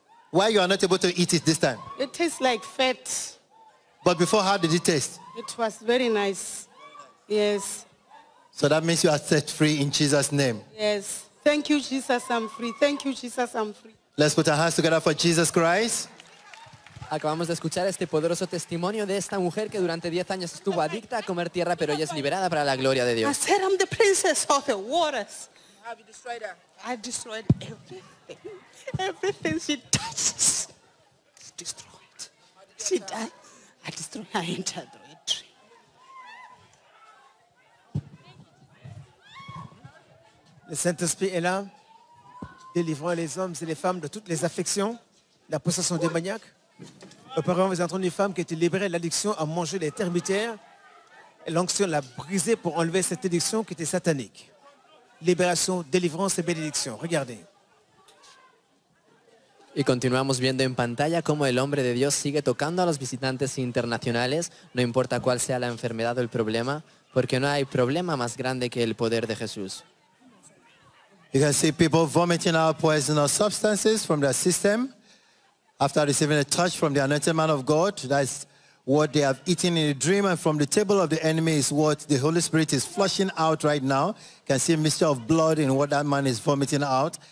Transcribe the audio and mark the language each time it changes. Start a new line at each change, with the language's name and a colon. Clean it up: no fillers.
English: Why you are not able to eat it this time? It tastes like fat. But before, how did it taste? It was very nice. Yes. So that means you are set free in Jesus' name. Yes. Thank you, Jesus, I'm free. Thank you, Jesus, I'm free. Let's put our hands together for Jesus Christ.
Spanish: Acabamos de escuchar este poderoso testimonio de esta mujer que durante 10 años estuvo adicta a comer tierra, pero ella es liberada para la gloria de Dios.
English: I said I'm the princess of the waters. I've destroyed her. I've destroyed everything. Everything she touches. It's destroyed. She died. I destroyed her entire tree.
French: Le Saint-Esprit est là, délivrant les hommes et les femmes de toutes les affections, la possession démoniaque. Auparavant, vous entendez une femme qui a été libérée de l'addiction à manger les termitières. L'onction l'a brisée pour enlever cette addiction qui était satanique. Libération, délivrance et bénédiction. Regardez.
Spanish: Y continuamos viendo en pantalla cómo el hombre de Dios sigue tocando a los visitantes internacionales, no importa cuál sea la enfermedad o el problema, porque no hay problema más grande que el poder de Jesús.
English: You can see people vomiting out poisonous substances from their system. After receiving a touch from the anointed man of God, that's what they have eaten in a dream, and from the table of the enemy is what the Holy Spirit is flushing out right now. You can see a mixture of blood in what that man is vomiting out.